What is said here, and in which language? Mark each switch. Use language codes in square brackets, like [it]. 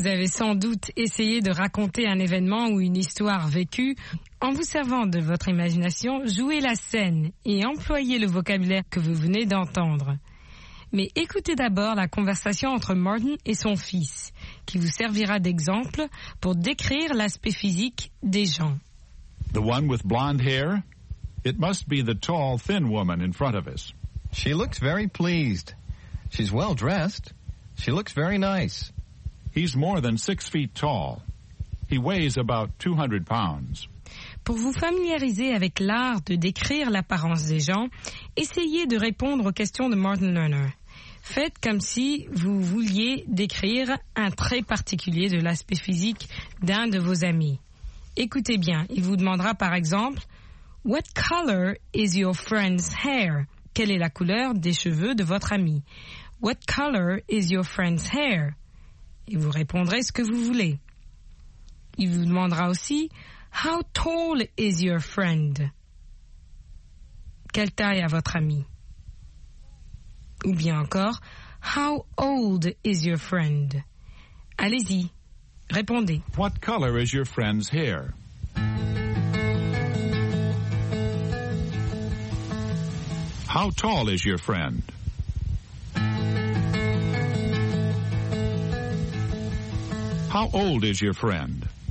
[fr] Vous avez sans doute essayé de raconter un événement ou une histoire vécue. En vous servant de votre imagination, jouez la scène et employez le vocabulaire que vous venez d'entendre. Mais écoutez d'abord la conversation entre Martin et son fils, qui vous servira d'exemple pour décrire l'aspect physique des gens. [en] The one with blonde hair? It must be the tall, thin woman in front of us. She looks very pleased. She's well dressed. She looks very nice. He's more than 6 feet tall. He weighs about 200 pounds. [fr] Pour vous familiariser avec l'art de décrire l'apparence des gens, essayez de répondre aux questions de Martin Lerner. Faites comme si vous vouliez décrire un trait particulier de l'aspect physique d'un de vos amis. Écoutez bien, il vous demandera par exemple, « [en] What color is your friend's hair? [fr] » Quelle est la couleur des cheveux de votre ami? « [en] What color is your friend's hair? [fr] » Et vous répondrez ce que vous voulez. Il vous demandera aussi, « [en] How tall is your friend? [fr] » Quelle taille a votre ami? Ou bien encore, « [en] How old is your friend? [fr] » Allez-y, répondez. [en] « What color is your friend's hair? » How tall is your friend? How old is your friend?